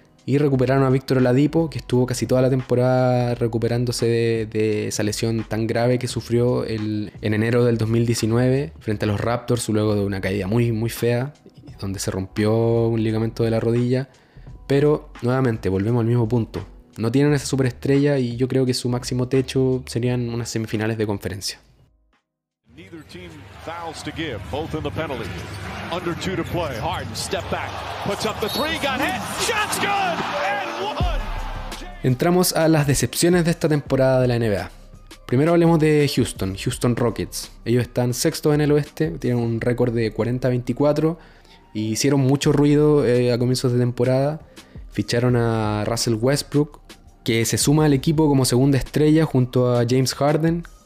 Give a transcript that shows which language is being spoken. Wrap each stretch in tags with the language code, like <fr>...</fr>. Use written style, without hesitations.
<es>Y recuperaron a Víctor Oladipo, que estuvo casi toda la temporada recuperándose de esa lesión tan grave que sufrió en enero del 2019 frente a los Raptors, luego de una caída muy, muy fea, donde se rompió un ligamento de la rodilla. Pero nuevamente, volvemos al mismo punto. No tienen esa superestrella y yo creo que su máximo techo serían unas semifinales de conferencia.</es> <en>Fouls to give, both in the penalty. Under two to play. Harden step back, puts up the three, got hit. Shot's good. And one.</en> <es>Entramos a las decepciones de esta temporada de la NBA. Primero hablemos de Houston, Houston Rockets. Ellos están sexto en el oeste, tienen un récord de 40-24 y hicieron mucho ruido a comienzos de temporada. Ficharon a Russell Westbrook, que se suma al equipo como segunda estrella junto a James Harden.</es>